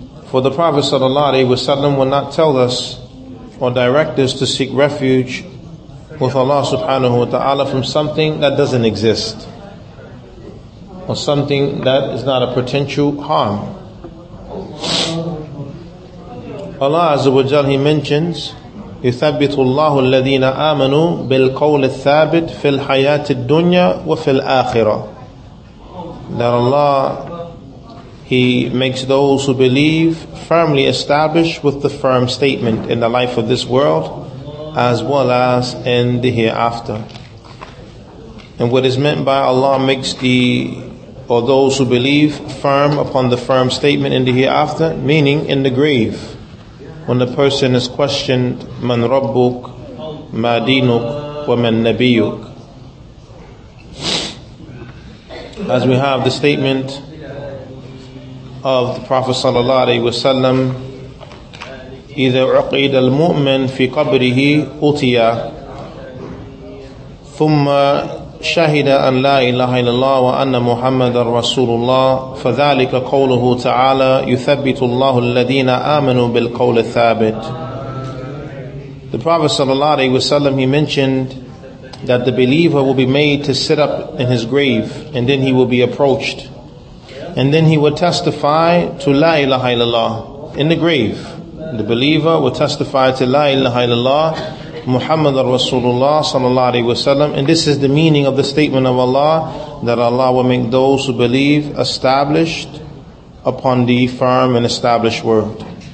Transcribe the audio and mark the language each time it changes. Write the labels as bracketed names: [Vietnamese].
[English] For the Prophet sallallahu alaihi wasallam will not tell us or direct us to seek refuge with Allah subhanahu wa ta'ala from something that doesn't exist, or something that is not a potential harm. Allah azza wa jal, he mentions, [Arabic] يثبت الله الذين آمنوا بالقول الثابت في الحياة الدنيا وفي الآخرة. [English] That Allah, he makes those who believe firmly established with the firm statement in the life of this world as well as in the hereafter. And what is meant by Allah makes the, or those who believe, firm upon the firm statement in the hereafter, meaning in the grave, when the person is questioned, man rabbuk, ma dinuk, wa man nabiyuk. As we have the statement of the Prophet sallallahu alaihi wasallam, [Arabic] إذا عقد المؤمن في قبره أتيا ثم شهد أن لا إله إلا الله وأن محمد رسول الله فذلك قوله تعالى يثبت الله الذين آمنوا بالقول الثابت. [English] The Prophet sallallahu alaihi wasallam, he mentioned that the believer will be made to sit up in his grave, and then he will be approached, and then he will testify to la ilaha illallah in the grave. The believer will testify to la ilaha illallah Muhammad Rasulullah sallallahu alaihi wasallam, and this is the meaning of the statement of Allah, that Allah will make those who believe established upon the firm and established word.